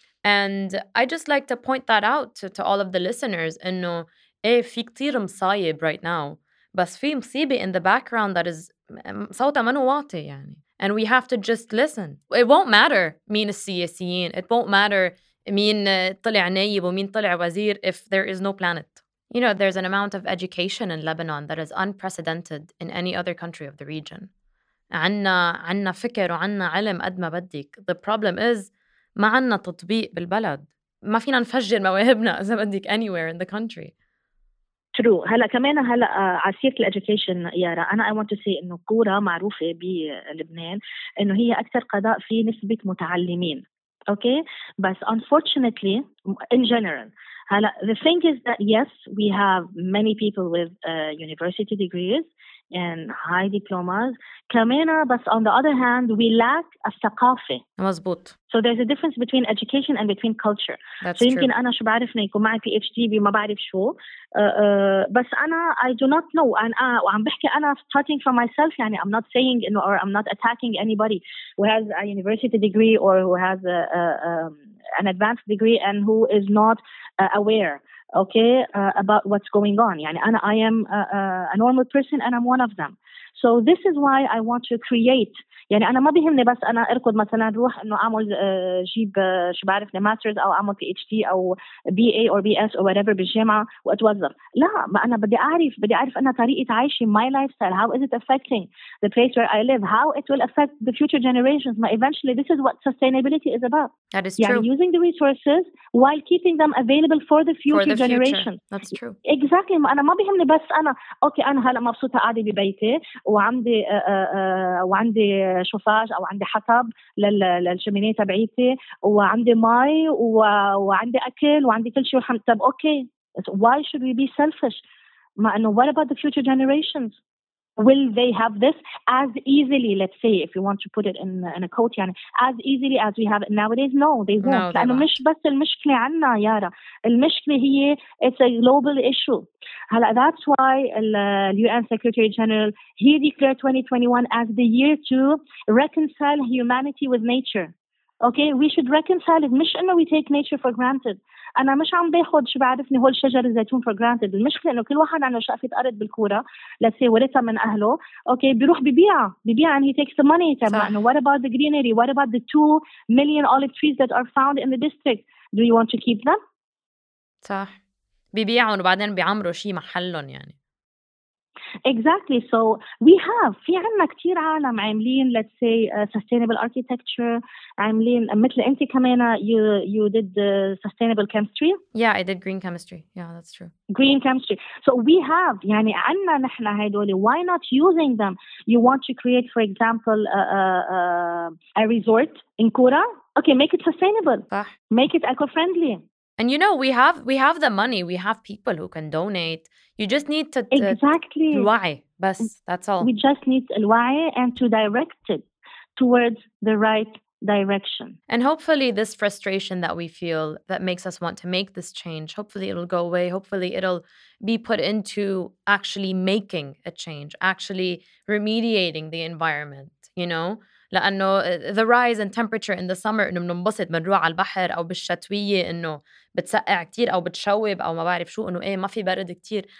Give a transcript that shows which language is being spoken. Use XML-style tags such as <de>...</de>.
<en>And I just like to point that out to all of the listeners,</en> <ar>إنه إيه في كتير مصايب</ar> <en>right now,</en> <ar>بس في مصيبة</ar> <en>in the background that is</en> <ar>صوتها منو واطي يعني.</ar> <en>And we have to just listen. It won't matter</en> <ar>مين السياسيين,</ar> <en>it won't matter</en> <ar>مين طلع نايب ومين طلع وزير,</ar> <en>if there is no planet. You know, there's an amount of education in Lebanon that is unprecedented in any other country of the region.</en> <ar>عنا فكر وعنا علم قد ما بدك.</ar> <en>The problem is</en> <ar>ما عنا تطبيق بالبلد, ما فينا نفجر مواهبنا إذا بدك</ar> <en>anywhere in the country. True.</en> <ar>هلا كمان هلا عسيرة الإدوكيشن يارا, أنا</ar> <en>I want to say</en> <ar>إنه كورة معروفة بلبنان إنه هي أكثر قضاء في نسبة متعلمين.</ar> <en>Okay, but unfortunately in general, هلا the thing is that yes, we have many people with university degrees and high diplomas, كمانه, but on the other hand, we lack a ثقافه.</en> <ar>مزبوط.</ar> <en>So there's a difference between education and between culture. That's so</en> <ar>يمكن أنا شو بعرف نيكو معي PhD بما بعرف شو, بس أنا</ar> <en>I do not know, and</en> <ar>وعم بحكي أنا</ar> <en>starting from myself, يعني I'm not saying or I'm not attacking anybody who has a university degree or who has an advanced degree and who is not aware. Okay, about what's going on.</en> <ar>يعني أنا,</ar> <en>I am a normal person and I'm one of them. So this is why I want to create.</en> <ar>يعني أنا ما بيهمني بس أنا أركض مثلا روح إنه أعمل جيب شو بعرفني ماسترز أو أعمل بي إتش دي أو بي أي أو بي إس أو</ar> <en>whatever</en> <ar>بالجامعة وأتوظف. لا, ما أنا بدي أعرف أنا طريقة عايشي,</ar> <en>my lifestyle, how is it affecting the place where I live, how it will affect the future generations. ما eventually this is what sustainability is about. That is true. يعني using the resources while keeping them available for the future generations. That's true. Exactly.</en> <ar>أنا ما بيهمني بس أنا أوكي أنا هلا مبسوطة قاعدة ببيتي وعندي وعندي شوفاج أو عندي حطب للشمينية تبعيتي وعندي ماي وعندي أكل وعندي كل شيء. طب أوكي,</ar> <en>why should we be selfish?</en> <ar>ما أنه</ar> <en>what about the future generations? Will they have this as easily, let's say, if you want to put it in a quote, يعني, as easily as we have it nowadays? No, they won't.</en> <ar>لأنه مش بس المشكلة عنا يارا, المشكلة هي</ar> <en>it's a global issue. هلا, that's why the UN Secretary General, he declared 2021 as the year to reconcile humanity with nature. Okay, we should reconcile it.</en> <ar>مش إنه</ar> <en>we take nature for granted.</en> <ar>أنا مش عم باخد شو بعرفني هول شجر الزيتون</ar> <en>for granted.</en> <ar>المشكلة إنه كل واحد عنده شقفة أرض بالكورة</ar> <en>let's say</en> <ar>ورثة من أهله, okay, بيروح ببيعها</ar> <en>and he takes the money. تمام, what about the greenery? What about the 2 million olive trees that are found in the district? Do you want to keep them?</en> <ar>صح, ببيعهم وبعدين بيعمروا شيء محلهم يعني.</ar> <en>Exactly. So we have,</en> <ar>في عنا كتير عالم عاملين</ar> <en>let's say sustainable architecture,</en> <ar>عاملين مثل أنت كمان</ar> <en>you did sustainable chemistry. Yeah, I did green chemistry. Yeah, that's true. Green chemistry. So we have,</en> <ar>يعني عنا نحنا هيدول,</ar> <en>why not using them? You want to create, for example, a resort in Kura? Okay, make it sustainable.</en> <ar>صح.</ar> <en>Make it eco-friendly. And you know, we have the money, we have people who can donate. You just need to exactly</en> <ar>الوعي. بس,</ar> <en>that's all. We just need الوعي and to direct it towards the right direction. And hopefully this frustration that we feel that makes us want to make this change, hopefully it'll go away. Hopefully it'll be put into actually making a change, actually remediating the environment, you know?</en> <ar>لأنه</ar> <en>the rise in temperature in the summer</en> <ar>إنه بننبسط بنروح على البحر أو بالشتوية إنه بتسقع كتير أو بتشوب أو ما بعرف شو إنه إيه ما في برد كتير.</ar>